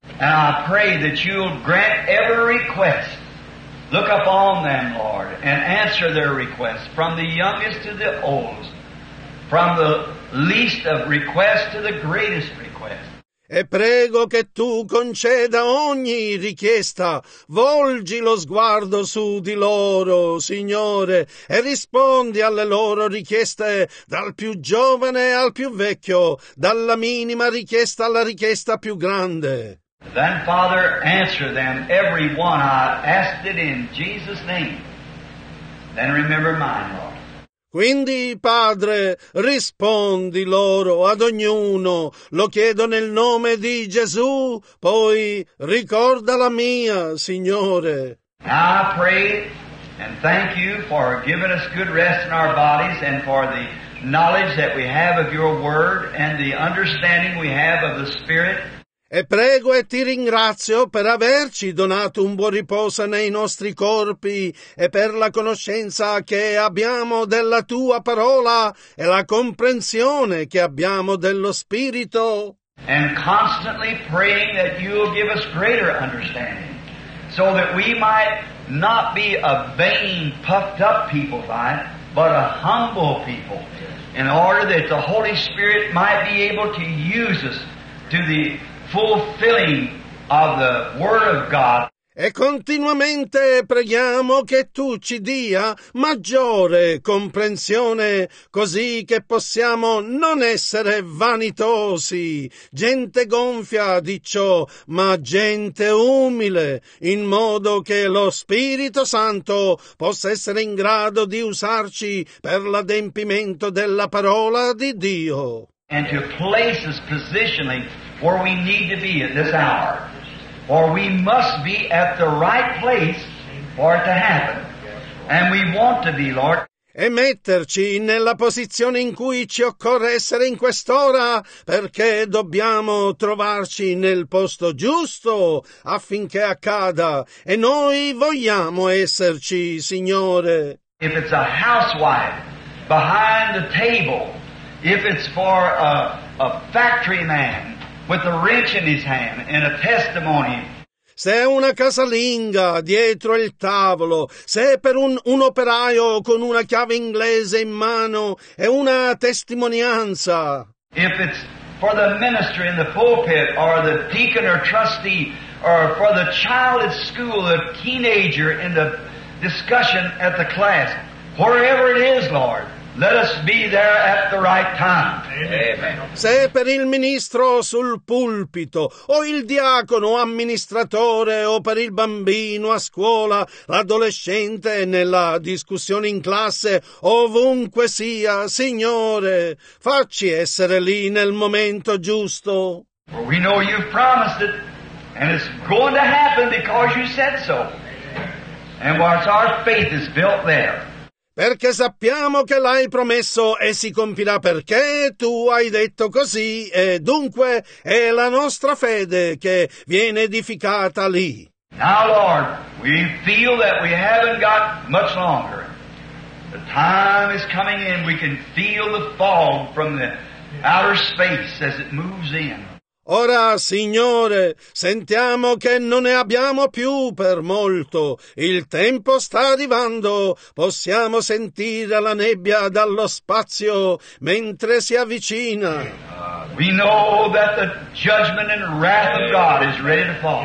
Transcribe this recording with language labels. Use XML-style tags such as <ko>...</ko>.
<en>And I pray that you'll grant every request. Look upon them, Lord, and answer their requests from the youngest to the oldest. From the least of requests to the greatest request.</en> <it>E prego che tu conceda ogni richiesta. Volgi lo sguardo su di loro, Signore, e rispondi alle loro richieste, dal più giovane al più vecchio, dalla minima richiesta alla richiesta più grande.</it> <en>Then, Father, answer them, every one. I asked it in Jesus' name. Then remember mine, Lord.</en> <it>Quindi, Padre, rispondi loro ad ognuno. Lo chiedo nel nome di Gesù, poi ricorda la mia, Signore.</it> <en>I pray and thank you for giving us good rest in our bodies and for the knowledge that we have of your word and the understanding we have of the Spirit.</en> <it>E prego e ti ringrazio per averci donato un buon riposo nei nostri corpi e per la conoscenza che abbiamo della tua parola e la comprensione che abbiamo dello Spirito.</it> <en>And constantly praying that you'll give us greater understanding so that we might not be a vain, puffed up people by it, but a humble people, in order that the Holy Spirit might be able to use us to the fulfilling of the Word of God.</en> <it>E continuamente preghiamo che tu ci dia maggiore comprensione, così che possiamo non essere vanitosi, gente gonfia di ciò, ma gente umile, in modo che lo Spirito Santo possa essere in grado di usarci per l'adempimento della parola di Dio.</it> <en>And to place us positionally where we need to be at this hour. Or we must be at the right place for it to happen. And we want to be, Lord.</en> <it>E metterci nella posizione in cui ci occorre essere in quest'ora, perché dobbiamo trovarci nel posto giusto affinché accada. E noi vogliamo esserci, Signore.</it> <en>If it's a housewife behind the table, if it's for a factory man with a wrench in his hand and a testimony.</en> <it>Se è una casalinga dietro il tavolo, se è per un operaio con una chiave inglese in mano e una testimonianza.</it> <en>If it's for the minister in the pulpit or the deacon or trustee or for the child at school, the teenager in the discussion at the class, wherever it is, Lord. Let us be there at the right time. Amen.</en> <it>Se per il ministro sul pulpito, o il diacono amministratore, o per il bambino a scuola, l'adolescente nella discussione in classe, ovunque sia, Signore, facci essere lì nel momento giusto.</it> <en>For we know you've promised it, and it's going to happen because you said so. And once our faith is built there,</en> <it>perché sappiamo che l'hai promesso e si compirà perché tu hai detto così, e dunque è la nostra fede che viene edificata lì.</it> <en>Now, Lord, we feel that we haven't got much longer. The time is coming in. We can feel the fog from the outer space as it moves in.</en> <it>Ora, Signore, sentiamo che non ne abbiamo più per molto. Il tempo sta arrivando. Possiamo sentire la nebbia dallo spazio mentre si avvicina.</it> <en>We know that the judgment and wrath of God is ready to fall.</en>